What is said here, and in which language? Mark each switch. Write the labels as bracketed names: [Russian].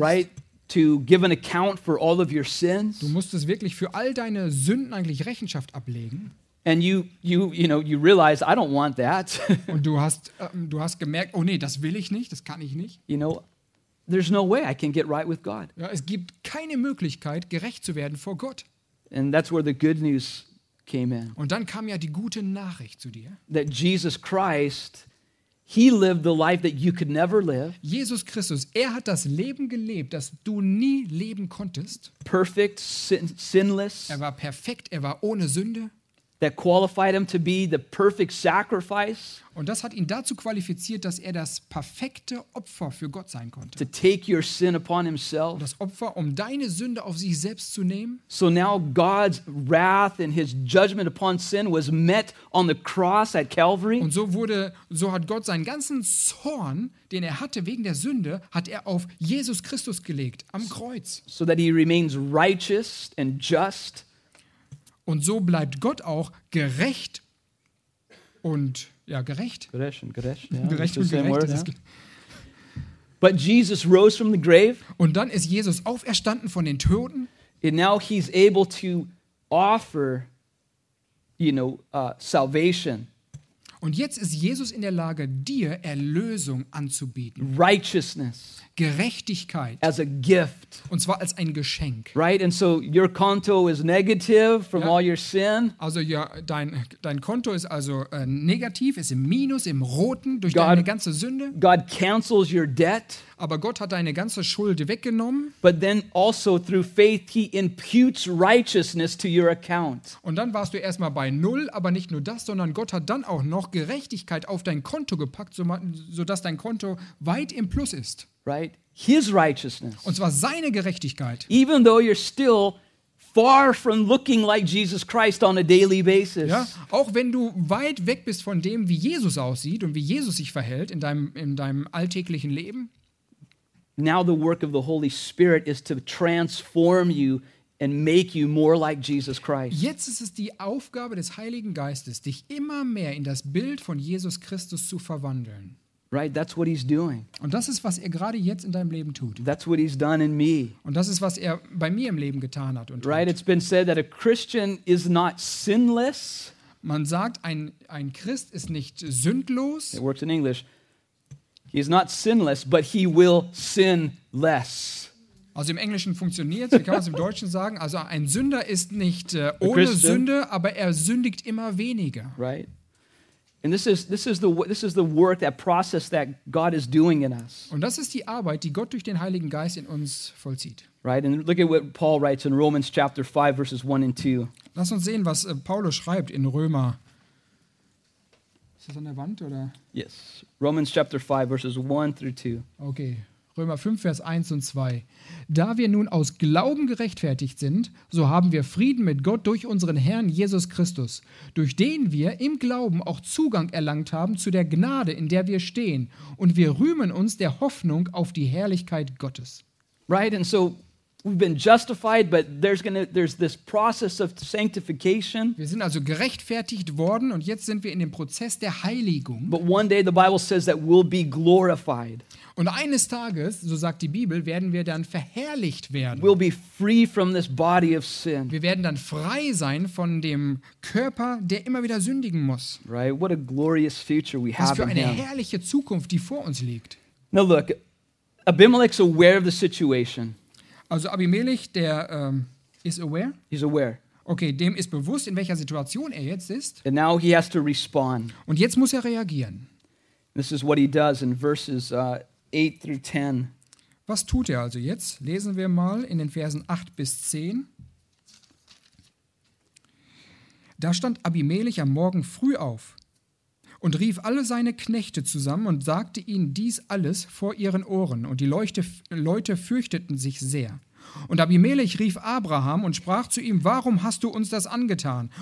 [English] Right? To give an account for all of your sins. [German] Du musstest wirklich für all deine Sünden eigentlich Rechenschaft ablegen. [English] And you realize I don't want that. [German] Und du hast gemerkt, oh nee, das will ich nicht, das kann ich nicht. [English] You know, there's no way I can get right with God. [German] Ja, es gibt keine Möglichkeit, gerecht zu werden vor Gott. [English] And that's where the good news came in. [German] Und dann kam ja die gute Nachricht zu dir. [English] That Jesus Christ He lived the life that you could never live. [German] Jesus Christus, er hat das Leben gelebt, das du nie leben konntest. [English] Perfect, sinless. [German] Er war perfekt, er war ohne Sünde. [English] That qualified him to be the perfect sacrifice. [German] Und das hat ihn dazu qualifiziert, dass er das perfekte Opfer für Gott sein konnte. [English] To take your sin upon himself. [German] Das Opfer, um deine Sünde auf sich selbst zu nehmen. [English] So now God's wrath and his judgment upon sin was met on the cross at Calvary. [German] Und so hat Gott seinen ganzen Zorn, den er hatte wegen der Sünde, hat er auf Jesus Christus gelegt am Kreuz. [English] So that he remains righteous and just. [German] Und so bleibt Gott auch gerecht und ja gerecht. Gerecht und gerecht. [English] Word, yeah. But Jesus rose from the grave. [German] Und dann ist Jesus auferstanden von den Toten. [English] And now he's able to offer, you know, salvation. [German] Und jetzt ist Jesus in der Lage, dir Erlösung anzubieten. [English] Righteousness. [German] Gerechtigkeit. [English] As a gift. [German] Und zwar als ein Geschenk. [English] Right? And so your konto is negative from all your sin. [German] Also ja, dein Konto ist also negativ, ist im Minus, im Roten durch deine ganze Sünde. [English] God cancels your debt. [German] Aber Gott hat deine ganze Schuld weggenommen. [English] But then also through faith he imputes righteousness to your account. [German] Und dann warst du erstmal bei null, aber nicht nur das, sondern Gott hat dann auch noch Gerechtigkeit auf dein Konto gepackt, sodass dein Konto weit im Plus ist. [English] Right? His righteousness. [German] Und zwar seine Gerechtigkeit. [English] Even though you're still far from looking like Jesus Christ on a daily basis. [German] Ja, auch wenn du weit weg bist von dem, wie Jesus aussieht und wie Jesus sich verhält in deinem alltäglichen Leben. [English] Now the work of the Holy Spirit is to transform you and make you more like Jesus Christ. [German] Jetzt ist es die Aufgabe des Heiligen Geistes, dich immer mehr in das Bild von Jesus Christus zu verwandeln. [English] Right, that's what he's doing. [German] Und das ist, was er gerade jetzt in deinem Leben tut. [English] That's what he's done in me. [German] Und das ist, was er bei mir im Leben getan hat und tut. [English] Right, it's been said that a Christian is not sinless. [German] Man sagt, ein Christ ist nicht sündlos. [English] It works in English. He is not sinless, but he will sin less. [German] Also im Englischen funktioniert es, wie kann man es im Deutschen sagen? Also ein Sünder ist nicht ohne Sünde, aber er sündigt immer weniger. [English] Right. And this is the work, that process that God is doing in us. [German] Und das ist die Arbeit, die Gott durch den Heiligen Geist in uns vollzieht. [English] Right, and look at what Paul writes in Romans chapter 5 verses 1 and 2. [German] Lass uns sehen, was Paulus schreibt in Römer. Ist das an der Wand oder? [English] Yes. Romans chapter 5 verses 1 through 2. [German] Okay. Römer 5, Vers 1 und 2. Da wir nun aus Glauben gerechtfertigt sind, so haben wir Frieden mit Gott durch unseren Herrn Jesus Christus, durch den wir im Glauben auch Zugang erlangt haben zu der Gnade, in der wir stehen. Und wir rühmen uns der Hoffnung auf die Herrlichkeit Gottes. [English] Right, and so we've been justified, but there's this process of sanctification. [German] Wir sind also gerechtfertigt worden und jetzt sind wir in dem Prozess der Heiligung. [English] But one day the Bible says that we'll be glorified. [German] Und eines Tages, so sagt die Bibel, werden wir dann verherrlicht werden. [English] We'll be free from this body of sin. [German] Wir werden dann frei sein von dem Körper, der immer wieder sündigen muss. [English] Right? What a glorious future we have. [German] Was für eine herrliche Zukunft, die vor uns liegt. [English] Now look, Abimelech's aware of the situation. [German] Also Abimelech, der ist aware? [English] He's aware. [German] Okay, dem ist bewusst, in welcher Situation er jetzt ist. [English] And now he has to respond. [German] Und jetzt muss er reagieren. [English] This is what he does in verses 8 through 10. [German] Was tut er also jetzt? Lesen wir mal in den Versen 8 bis 10. Da stand Abimelech am Morgen früh auf und rief alle seine Knechte zusammen und sagte ihnen dies alles vor ihren Ohren. Und die Leute fürchteten sich sehr. Und Abimelech rief Abraham und sprach zu ihm, warum hast du uns das angetan?